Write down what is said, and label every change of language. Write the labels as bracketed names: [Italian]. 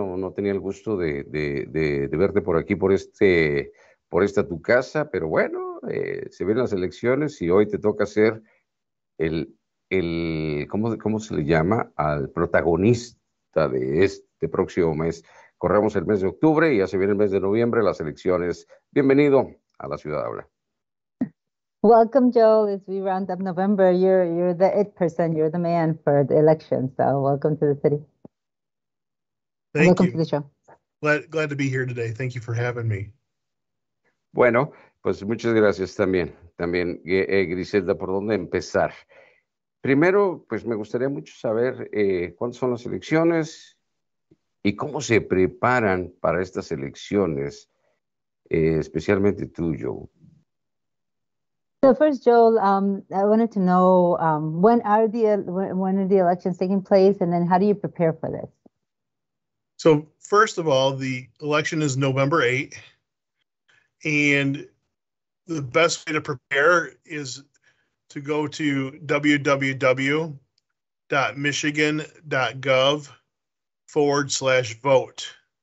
[Spanish] No, no tenía el gusto de verte por aquí, por esta tu casa, pero bueno, se ven las elecciones y hoy te toca ser el ¿cómo se le llama? Al protagonista de este próximo mes. Corremos el mes de octubre y ya se viene el mes de noviembre, las elecciones. Bienvenido a La Ciudad Habla. [English] Welcome, Joe. As we round up November, you're the it person. You're the man for the election. So welcome to the city. Thank welcome you. To the show. Glad to be here today. Thank you for having me. [Spanish] Bueno, pues muchas gracias también. También, Griselda, ¿por dónde empezar? Primero, pues me gustaría mucho saber cuándo son las elecciones y cómo se preparan para estas elecciones, especialmente tú, Joe. [English] So first, Joel, I wanted to know when are the elections taking place, and then how do you prepare for this? So first of all, the election is November 8th, and the best way to prepare is to go to www.michigan.gov/vote.